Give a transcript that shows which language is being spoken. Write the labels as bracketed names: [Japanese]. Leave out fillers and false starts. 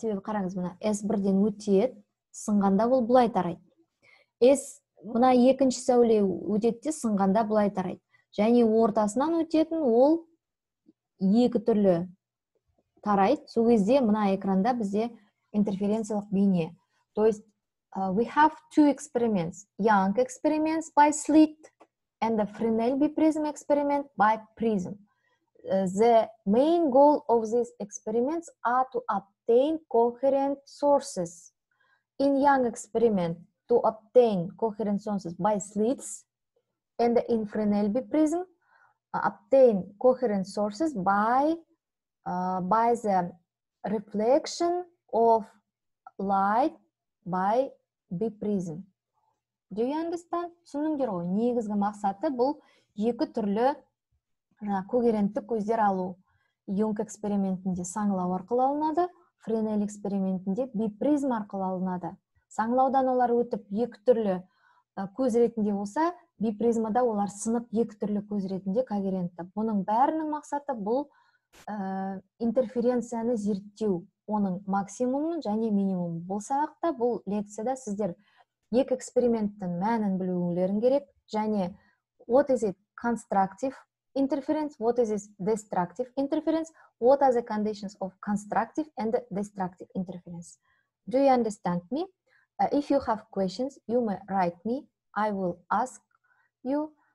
[Kazakh] Себебі қараңыз, мына S1-ден өтеді, сынғанда ол былай тарайды. S мына екінші сәуле өтеді, сынғанда былай тарайды. Және ортасынан өтетін ол екі түрлі тарайды. Сол кезде мына экранда бізде интерференциялық бейне. [Russian] То есть, [English] we have two experiments. Young experiments by slit and the Fresnel B prism experiment by prism. The main goal of these experiments are to obtain coherent sources. In Young experiment, to obtain coherent sources by slits and in Fresnel B prism, obtain coherent sources by the reflection of light by B prism. Do you understand? [Kazakh] Түсіндіңдер ғой, негізгі мақсаты бұл екі түрлі когерентті көздер алу. Юнг экспериментінде саңылау арқылы алынады, Fresnel экспериментінде B prism арқылы алынады. Саңылаудан олар өтіп екі түрлі көз ретінде болса, B призмада олар сынып екі түрлі көз ретінде когерентті. Бұның бәрінің мақсаты бұл интерференцияны зерттеу. Оның максимумы және минимумы. Бұл сабақта, бұл лекцияда сіздер екі эксперименттің мәнін білуіңлерің керек. Және [English] what is it constructive interference, what is it destructive interference, what are the conditions of constructive and destructive interference. Do you understand me? If you have questions, you may write me. I will ask you.